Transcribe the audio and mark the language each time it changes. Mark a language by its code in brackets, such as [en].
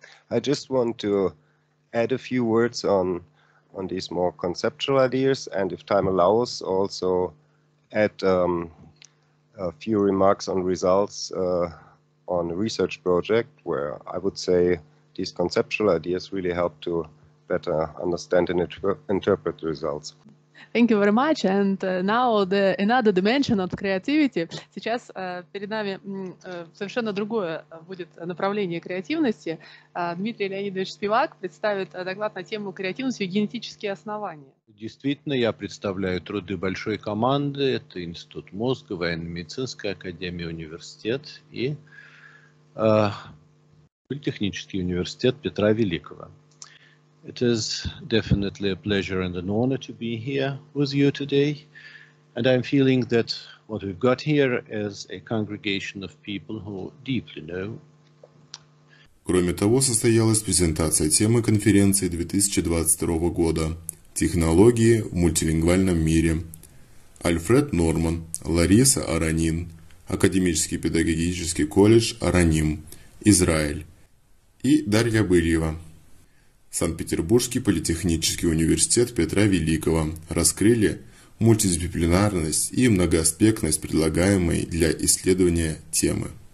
[en] I just want to add a few words on these more conceptual ideas, and if time allows, also add a few remarks on results on a research project where I would say these conceptual ideas really help to better understand and interpret the results. Thank you very much. And now the another dimension of creativity. [ru] Сейчас перед нами совершенно другое будет направление креативности. Дмитрий Леонидович Спивак представит доклад на тему креативности и генетические основания. Действительно, я представляю труды большой команды. Это Институт мозга, Военно-медицинская академия, университет и Политехнический университет Петра Великого. [en] It is definitely a pleasure and an honor to be here with you today. And I'm feeling that what we've got here is a congregation of people who deeply know. [ru] Кроме того, состоялась презентация темы конференции 2022 года «Технологии в мультилингвальном мире». Альфред Норман, Лариса Аронин, Академический педагогический колледж Араним, Израиль, и Дарья Бырьева, Санкт-Петербургский политехнический университет Петра Великого, раскрыли мультидисциплинарность и многоаспектность предлагаемой для исследования темы.